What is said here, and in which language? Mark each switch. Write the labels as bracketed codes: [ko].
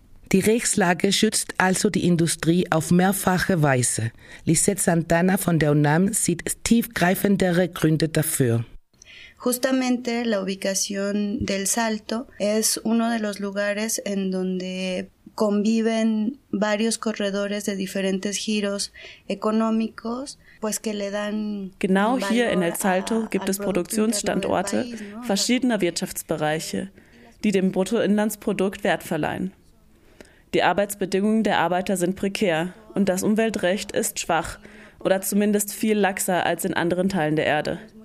[de] Die Rechtslage schützt also die Industrie auf mehrfache Weise. Lisette Santana von der UNAM sieht tiefgreifendere Gründe dafür. [es] Justamente la ubicación del Salto es uno de los lugares en donde conviven varios corredores de diferentes giros económicos, pues que le dan. [de] Genau hier in El Salto gibt es Produktionsstandorte verschiedener Wirtschaftsbereiche, die dem Bruttoinlandsprodukt Wert verleihen. Die Arbeitsbedingungen der Arbeiter sind prekär und das Umweltrecht ist schwach oder zumindest viel laxer als in anderen Teilen der Erde.